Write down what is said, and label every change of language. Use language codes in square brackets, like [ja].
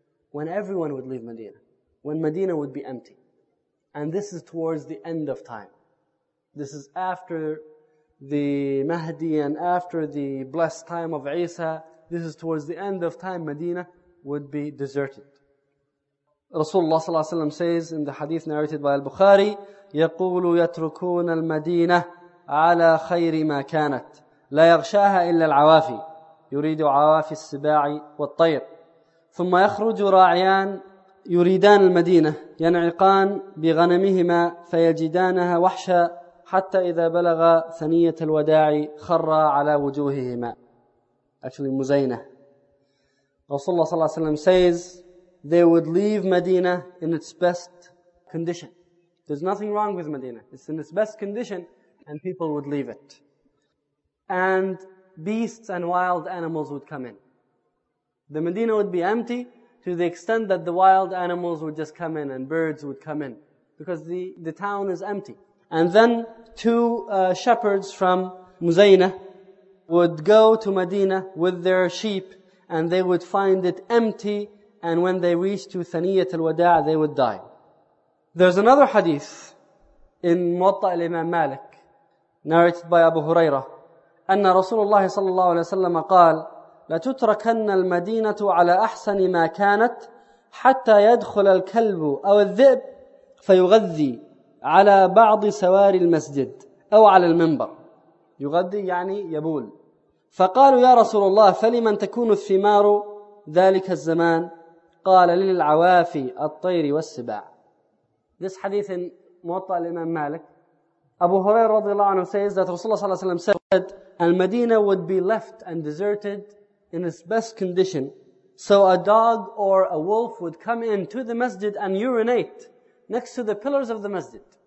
[en] When everyone would leave Medina. When Medina would be empty. And this is towards the end of time. This is after the Mahdi and after the blessed time of Isa. This is towards the end of time Medina would be deserted. Rasulullah صلى الله عليه وسلم says in the hadith narrated by Al-Bukhari, [ar] يقول يتركون المدينة على خير ما كانت لا يغشاها إلا العوافي يريد عوافي السباع والطير ثم يخرج راعيان يريدان المدينة ينعقان بغنمهما فيجدانها وحشا حتى إذا بلغ ثنية الوداع خر على وجوههما. [en] Actually مزينة. Rasulullah صلى الله عليه وسلم says they would leave Medina in its best condition. There's nothing wrong with Medina. It's in its best condition and people would leave it. And beasts and wild animals would come in. The Medina would be empty to the extent that the wild animals would just come in and birds would come in. Because the town is empty. And then two shepherds from Muzayna would go to Medina with their sheep and they would find it empty. And when they reached to Thaniyat al-Wada'a, they would die. There's another hadith in Muwatta al-Imam Malik, narrated by Abu Huraira, [ar] أَنَّ رَسُولُ اللَّهِ صَلَّى اللَّهُ عَلَيْهِ وَسَلَّمَ قَالَ لَتُتْرَكَنَّ الْمَدِينَةُ عَلَىٰ أَحْسَنِ مَا كَانَتْ حَتَّى يَدْخُلَ الْكَلْبُ أَوَ الذِّئْبُ فَيُغَذِّي عَلَىٰ بَعْضِ سَوَارِ الْمَسْجِدِ أَوْ عَلَىٰ الْمِنْبَرِ. يغذي يعني يبول. فقالوا يا رسول الله فلمن تكون الثمار ذلك الزمان قال للعوافي الطير والسباع. [en] This hadith in Muwatta al-Imam Malik, Abu Hurairah radiallahu anhu says that Rasulullah sallallahu alayhi wa sallam said Al-Madinah would be left and deserted in its best condition, so a dog or a wolf would come into the masjid and urinate next to the pillars of the masjid.